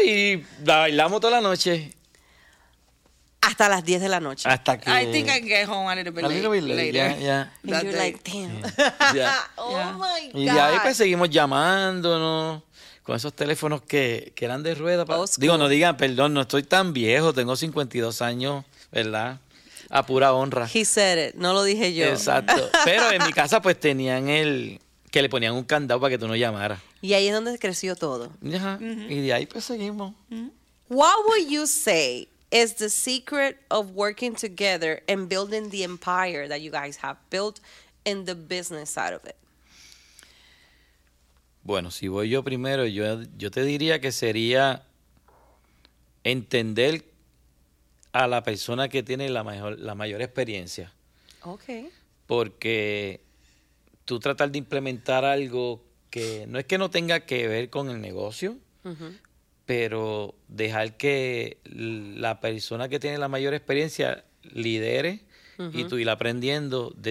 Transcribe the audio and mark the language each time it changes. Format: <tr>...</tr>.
<es>Y la bailamos toda la noche. Hasta las 10 de la noche. Hasta que...</es> <en>I think I get home a little bit later. Yeah. And you're like, damn. Yeah. Oh, my God.</en> <es>Y ahí pues seguimos llamándonos con esos teléfonos que eran de rueda. Digo, no digan, perdón, no estoy tan viejo. Tengo 52 años, ¿verdad? A pura honra.</es> <en>He said it.</en> <es>No lo dije yo. Exacto. Pero en mi casa pues tenían el... Que le ponían un candado para que tú no llamaras. Y ahí es donde creció todo. Ajá. Uh-huh. Y de ahí pues seguimos.</es> <en>What would you say... is the secret of working together and building the empire that you guys have built and the business side of it?</en> <es>Bueno, si voy yo primero, yo te diría que sería entender a la persona que tiene la mayor experiencia. Ok. Porque tú tratar de implementar algo que no es que no tenga que ver con el negocio, pero dejar que la persona que tiene la mayor experiencia lidere y tú ir aprendiendo.</es>